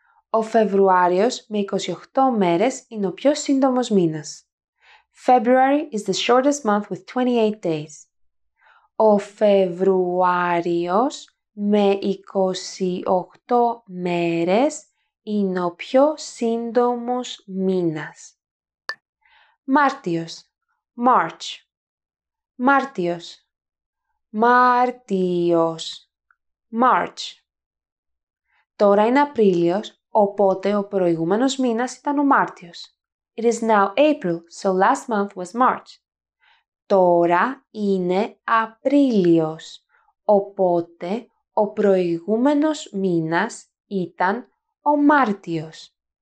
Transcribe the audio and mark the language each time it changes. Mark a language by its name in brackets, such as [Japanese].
[Greek] Ο Φεβρουάριος με 28 μέρες είναι ο πιο σύντομος μήνας. [English] February is the shortest month with 28 days. [Greek] Ο Φεβρουάριος με 28 μέρες είναι ο πιο σύντομος μήνας. Μάρτιος. [English] March. [Greek] Μάρτιος. Μάρτιος. [English] March. [Greek] Τώρα είναι Απρίλιος, οπότε ο προηγούμενος μήνας ήταν ο Μάρτιος. [English] It is now April, so last month was March. [Greek] Τώρα είναι Απρίλιος, οπότε ο προηγούμενος μήνας ήταν ο Μάρτιος.